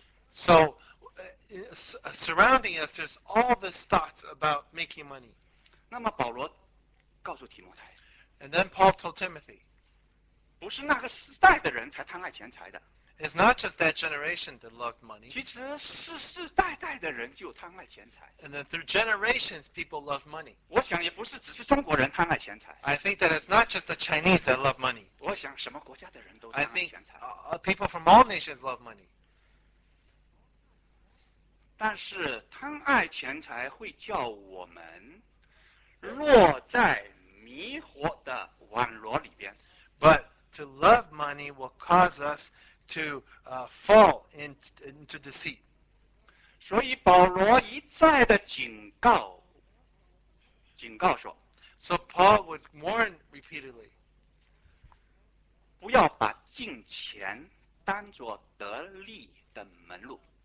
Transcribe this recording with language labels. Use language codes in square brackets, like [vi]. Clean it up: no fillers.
[en] So, surrounding us, there's all this thoughts about making money. [zh] 那么保罗告诉提摩太。 [en] And then Paul told Timothy. [zh] 不是那个时代的人才贪爱钱财的。 [en] It's not just that generation that loved money. [zh] 其实世世代代的人就贪爱钱财。 [en] And then through generations, people love money. [zh] 我想也不是只是中国人贪爱钱财。 [en] I think that it's not just the Chinese that love money. [zh] 我想什么国家的人都贪爱钱财。 [en] I think people from all nations love money. [zh] 但是贪爱钱财会叫我们落在迷惑的网罗里边。 [en] But to love money will cause us to fall into deceit. [zh] 所以保罗一再的警告说。 [en] So Paul would warn repeatedly. [zh] 不要把金钱当作得利的门路。